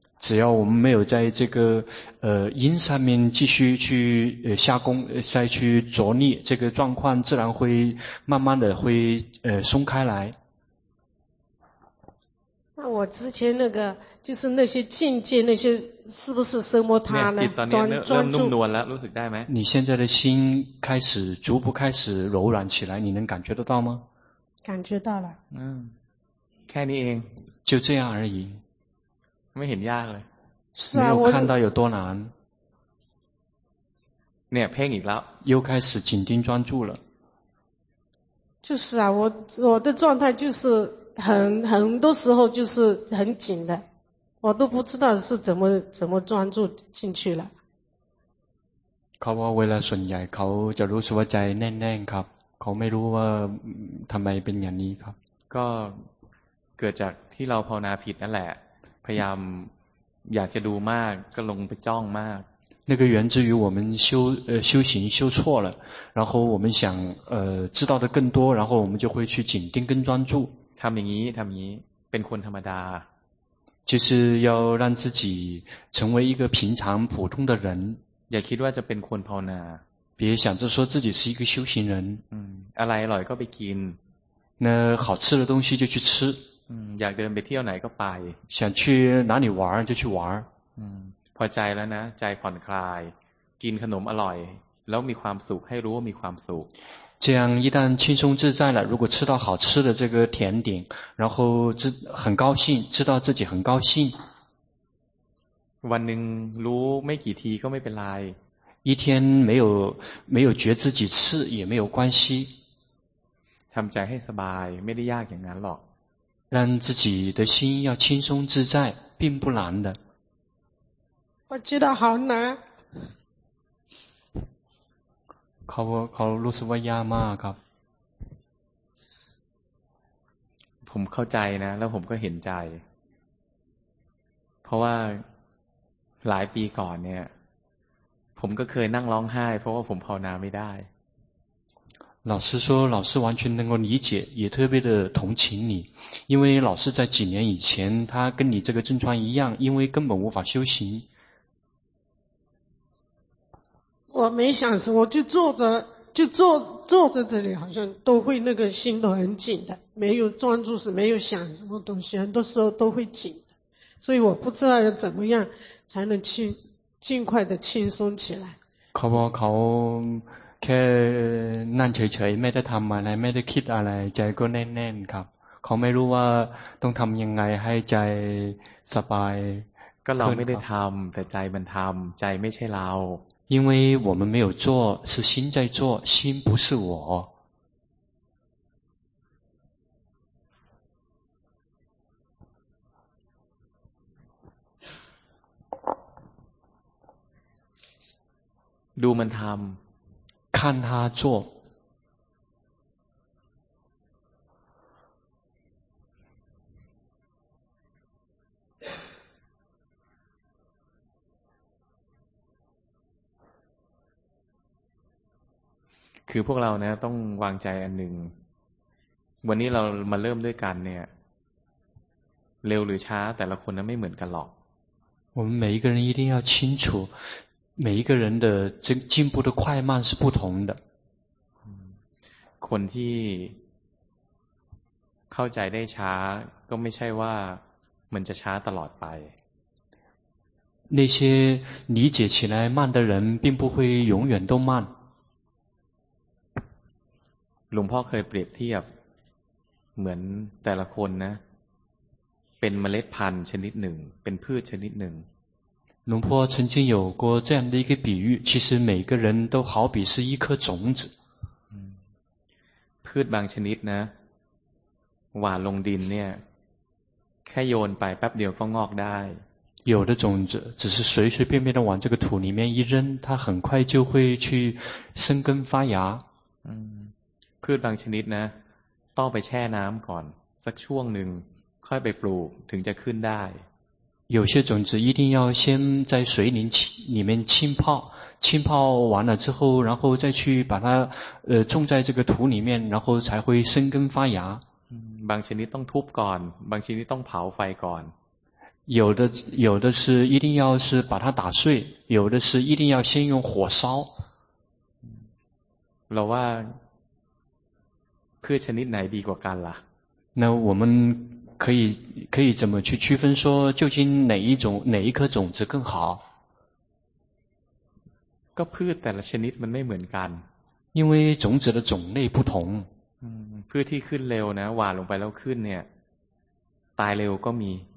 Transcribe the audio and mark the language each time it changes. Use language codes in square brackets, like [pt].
[zh] 只要我们没有在这个因上面继续去下功再去着力这个状况自然会慢慢的会松开来那我之前那个就是那些境界那些是不是生摩他呢专注 [th] 了รู้สึกได้ไหม [zh] 你现在的心开始逐步开始柔软起来你能感觉得到吗感觉到了 [th] แค่นี้เอง [zh] 就这样而已 [th] ไม่เห็นยากเลย [zh] 没有看到有多难 [th] เนี่ยเพ่งอีกแล้ว [zh] 又开始紧盯专注了就是啊我的状态就是很多时候就是很紧的我都不知道是怎么专注进去了 [th] เขาว่าเวลาส่วนใหญ่เขาจะรู้สึกว่าใจแน่นๆครับเขาไม่รู้ว่าทำไมเป็นอย่างนี้ครับ ก็เกิดจากที่เราภาวนาผิดนั่นแหละพยายามอยากจะดูมากก็ลงไปจ้องมาก [zh] 那个源自于我们修行修错了然后我们想知道的更多然后我们就会去紧盯跟专注 [th] ทำอย่างนี้เป็นคนธรรมดา [zh] 就是要让自己成为一个平常普通的人 [th] อย่าคิดว่าจะเป็นคนภาวนา [zh] 别想着说自己是一个修行人 [th] อะไรอร่อยก็ไปกิน [zh] 那好吃的东西就去吃 [th] อยากเดินไปเที่ยวไหนก็ไป [zh] 想去哪里玩就去玩 [th] พอใจแล้วนะใจผ่อนคลายกินขนมอร่อยแล้วมีความสุขให้รู้ว่ามีความสุข [zh] 这样一旦轻松自在了，如果吃到好吃的这个甜点，然后很高兴，知道自己很高兴。 [th] วันหนึ่งรู้ไม่กี่ทีก็ไม่เป็นไร。 [zh] 一天没有觉知几次也没有关系。 [th] ทำใจให้สบายไม่ได้ยากอย่างนั้นหรอก。 [zh] 让自己的心要轻松自在，并不难的。我知道好难。 [th] เขารู้สึกว่ายากมากครับ ผมเข้าใจนะแล้วผมก็เห็นใจเพราะว่าหลายปีก่อนเนี่ยผมก็เคยนั่งร้องไห้เพราะว่าผมภาวนาไม่ได้ [zh] 老师说老师完全能够理解也特别的同情你因为老师在几年以前他跟你这个症状一样因为根本无法修行我没想什么，我就坐着，就坐着这里，好像都会那个心都很紧的，没有专注是没有想什么东西，很多时候都会紧的，所以我不知道要怎么样才能尽快的轻松起来。 [th] เขาบอกเขาแค่นั่งเฉยๆไม่ได้ทำอะไรไม่ได้คิดอะไรใจก็แน่นๆครับเขาไม่รู้ว่าต้องทำยังไงให้ใจสบาย ก็เราไม่ได้ทำแต่ใจมันทำใจไม่ใช่เรา [zh] 因为我们没有做，是心在做，心不是我。 [th] ดูมันทำ， [zh] 看他做。 [th] คือพวกเราเนี่ยต้องวางใจอันหนึ่งวันนี้เรามาเริ่มด้วยกันเนี่ยเร็วหรือช้าแต่ละคนนั้นไม่เหมือนกันหรอก [zh] 我们每一个人一定要清楚每一个人的进步的快慢是不同的 [th] คนที่เข้าใจได้ช้าก็ไม่ใช่ว่ามันจะช้าตลอดไป [zh] 那些理解起来慢的人并不会永远都慢 [th] หลวงพ่อเคยเปรียบเทียบเหมือนแต่ละคนนะเป็นเมล็ดพันธุ์ชนิดหนึ่งเป็นพืชชนิดหนึ่ง [zh] หลวงพ่อ曾经有过这样的一个比喻其实每个人都好比是一颗种子 [th] พืชบางชนิดนะหว่านลงดินเนี่ยแค่โยนไปแป๊บเดียวก็งอกได้ [zh] 有的种子只是随随便便的往这个土里面一扔它很快就会去生根发芽 [th] พืชบางชนิดนะต้องไปแช่น้ำก่อนสักช่วงหนึ่งค่อยไปปลูกถึงจะขึ้นได้ [zh] 有些种子一定要先在水里面浸泡浸泡完了之后然后再去把它种在这个土里面然后才会生根发芽 [th] บางชนิดต้องทุบก่อนบางชนิดต้องเผาไฟก่อน [zh] 有的是一定要是把它打碎有的是一定要先用火烧 [th] เราว่าพืชชนิดไหนดีกว่ากันล่ะ [zh] 那我们可以怎么去区分说究竟哪一颗种子更好 [th] ก็พืชแต่ละชนิดมันไม่เหมือนกัน [zh] 因为种子的种类不同 [th] พืชที่ขึ้นเร็วนะหว่านลงไปแล้วขึ้นเนี่ยตายเร็วก็มี